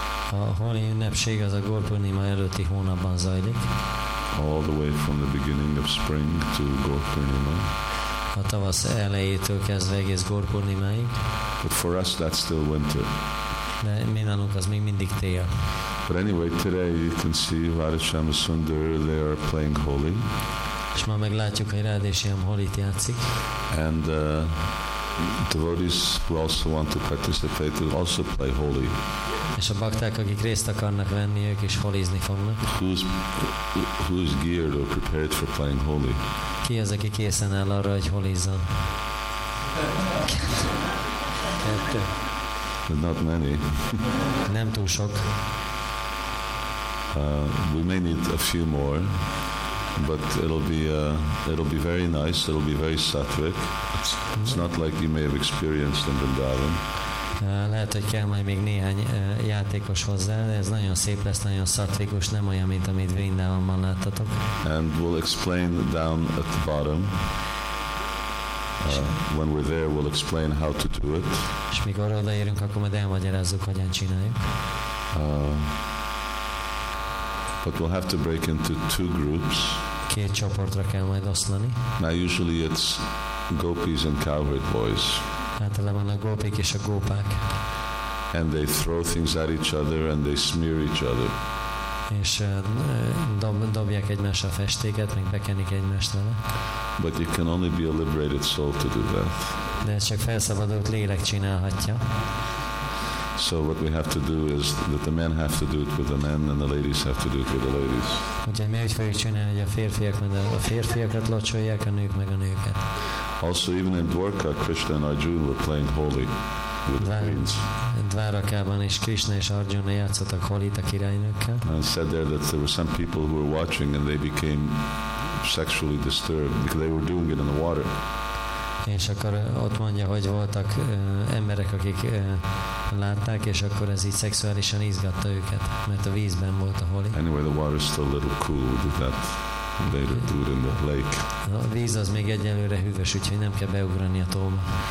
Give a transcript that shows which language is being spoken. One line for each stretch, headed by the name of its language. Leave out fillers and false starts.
Hungarian: A Holi ünnepség az a Gorpurnima előtti hónapban zajlik.
English: All the way from the beginning of spring to Gorpurnima.
Hungarian: A tavasz elejétől kezdve egész Gorpurnimáig.
English: But for us that's still winter.
Hungarian: De mi nálunk az még mindig tél.
English: But anyway, today you can see Radha Shyama Sundar, they are playing Holi.
Hungarian: És ma meglátjuk, hogy Radha Shyama Holit játszik.
English: And devotees who also want to participate will also play Holi.
Hungarian: És a bakták, akik részt akarnak venni, ők is holizni fognak.
English: Who's geared or prepared for playing Holi?
Hungarian: Ki az, aki készen áll arra, hogy holizzon? Kettő.
English: But not many.
Hungarian: Nem túl sok.
English: We may need a few more, but it'll be very nice. It'll be very sattvic. It's not like you may have experienced in Vrindavan.
Hungarian: Lehet, hogy kell majd még néhány játékos hozzá, de ez nagyon szép lesz, nagyon szattvikus, nem olyan, mint amit Vrindavanban láttatok.
English: And we'll explain down at the bottom. When we're there, we'll explain how to do it.
Hungarian: És mikor odaérünk, akkor majd elmagyarázzuk, hogyan csináljuk.
English: But we'll have to break into two groups.
Hungarian: Két csoportra kell majd osztani.
English: Now usually it's gopis and cowherd boys.
Hungarian: Általában a gópik és a gópák.
English: And they throw things at each other and they smear each other.
Hungarian: És dobják egymás a festéket, meg bekenik egymást vele.
English: But you can only be a liberated soul to do that.
Hungarian: De ez csak felszabadult lélek csinálhatja.
English: So what we have to do is that the men have to do it with the men and the ladies have to do it with the ladies.
Hungarian: Ugye mi úgy fogjuk csinálni, hogy a férfiak meg a férfiakat locsolják, a nők meg a nőket.
English: Also even in Dvarka, Krishna and Arjuna were playing holy with the queens.
Hungarian: Dvarakában is Krishna és Arjuna játszottak holit a királynőkkel.
English: And said there that there were some people who were watching and they became sexually disturbed because they were doing it in the water.
Hungarian: És akkor ott mondja, hogy voltak emberek, akik látták, és akkor ez így szexuálisan izgatta őket, mert a vízben volt a holi.
English: Anyway, the water is still a little cool with that. They do it in the lake.
Hungarian: A víz az még egyelőre hűvös, úgyhogy nem kell beugrani a tóba.